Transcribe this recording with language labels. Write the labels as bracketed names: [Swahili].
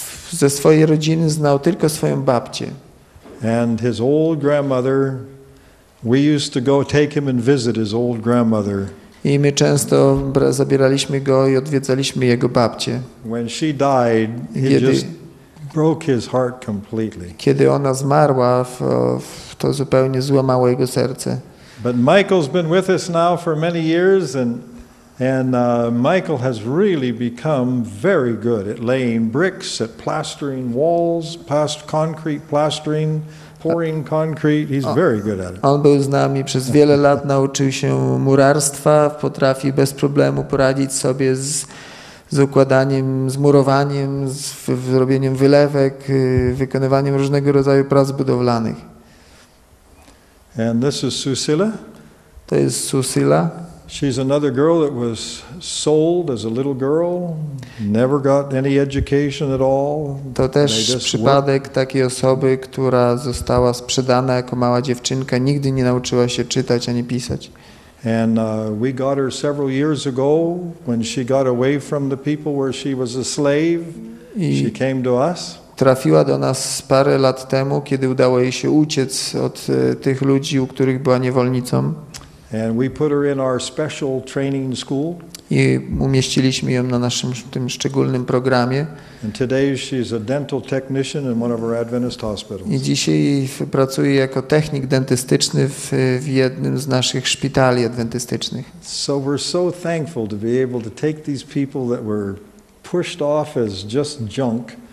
[Polish] Ze swojej rodziny znał tylko swoją babcię. [English] And his old grandmother. We used to go take him and visit his old grandmother. [Polish] I my często zabieraliśmy go i odwiedzaliśmy jego babcię. [English] When she died, he [Polish] kiedy, [English] just broke his heart completely. [Polish] Kiedy ona zmarła, to zupełnie złamało jego serce. [English] But Michael's been with us now for many years, and Michael has really become very good at laying bricks, at plastering walls, past concrete plastering. pouring concrete. He's very good at it. [Polish] On był z nami przez wiele lat, nauczył się murarstwa, potrafi bez problemu poradzić sobie z układaniem, z murowaniem, z robieniem wylewek, wykonywaniem różnego rodzaju prac budowlanych. [English] And this is Susila. [Polish] To jest Susila. [English] She's another girl that was sold as a little girl, never got any education at all. [Polish] To też przypadek takiej osoby, która została sprzedana jako mała dziewczynka, nigdy nie nauczyła się czytać ani pisać. [English] And we got her several years ago when she got away from the people where she was a slave. She came to us. [Polish] Trafiła do nas parę lat temu, kiedy udało jej się uciec od tych ludzi, u których była niewolnicą. [English] And we put her in our special training school. [Polish] I umieściliśmy ją na naszym tym szczególnym programie. [English] And today she's a dental technician in one of our Adventist hospitals. [Polish] I dzisiaj pracuje jako technik dentystyczny w jednym z naszych szpitali adwentystycznych. [English] So we're so thankful to be able to take these people that were pushed off as just junk.